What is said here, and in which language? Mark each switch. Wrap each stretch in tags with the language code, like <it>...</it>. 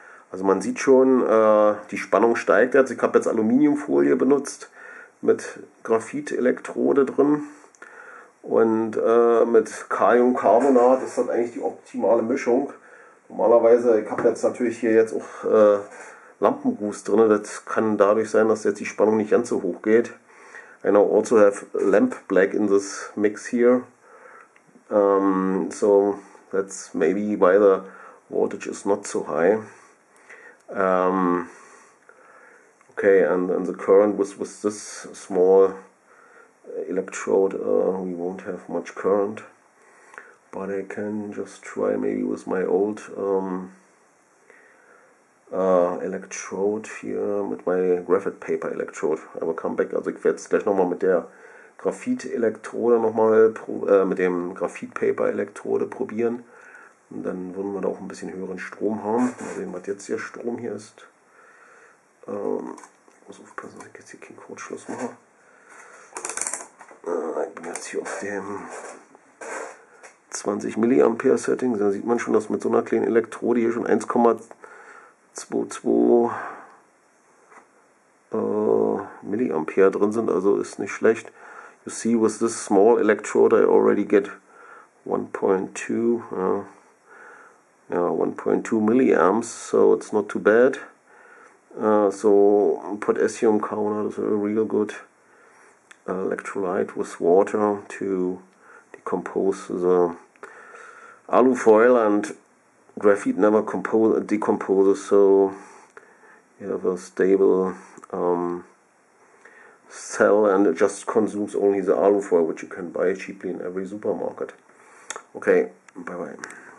<de>Also man sieht schon, die Spannung steigt jetzt. Ich habe jetzt Aluminiumfolie benutzt mit Graphitelektrode drin. Und mit Kaliumcarbonat ist das eigentlich die optimale Mischung. Normalerweise, ich habe jetzt natürlich hier jetzt auch Lampenruß drin. Das kann dadurch sein, dass jetzt die Spannung nicht ganz so hoch geht.</de> <en>I now also have lamp black in this mix here. So that's maybe why the voltage is not so high. Okay, and the current with this small electrode, we won't have much current, but I can just try maybe with my old electrode here, with my graphite paper electrode. I will come back.</en> <de>Also ich werde jetzt gleich nochmal mit der Graphitelektrode nochmal mit dem Graphite Paper Elektrode probieren. Und dann würden wir da auch ein bisschen höheren Strom haben. Mal sehen, was jetzt hier Strom hier ist. Ich muss aufpassen, dass ich jetzt hier keinen Kurzschluss mache. Ich bin jetzt hier auf dem 20 mA Setting. Da sieht man schon, dass mit so einer kleinen Elektrode hier schon 1,22 mA drin sind. Also ist nicht schlecht.</de> <en>You see, with this small electrode I already get 1.2. 1.2 milliamps, so it's not too bad. So potassium carbonate is a real good electrolyte with water to decompose the alufoil, and graphite never decomposes, so you have a stable cell, and it just consumes only the alufoil, which you can buy cheaply in every supermarket. Okay, bye bye.</en>